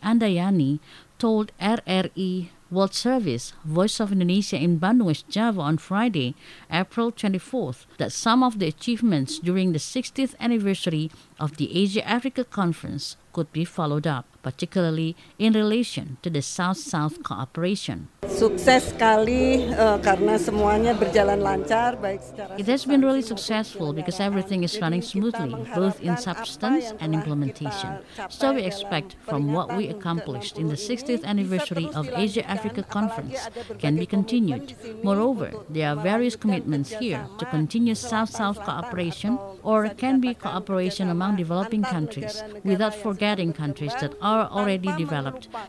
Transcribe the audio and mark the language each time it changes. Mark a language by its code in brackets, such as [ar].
[en] Andayani, told RRI World Service, Voice of Indonesia in Bandung West Java on Friday, April 24th, that some of the achievements during the 60th anniversary of the Asia-Africa Conference could be followed up, particularly in relation to the South-South cooperation. [id] Sukses sekali karena semuanya berjalan lancar baik secara. [en] It has been really successful because everything is running smoothly, both in substance and implementation. So we expect from what we accomplished in the 60th anniversary of Asia-Africa Conference can be continued. Moreover, there are various commitments here to continue South-South cooperation or can be cooperation among developing countries without forgetting countries that are already developed.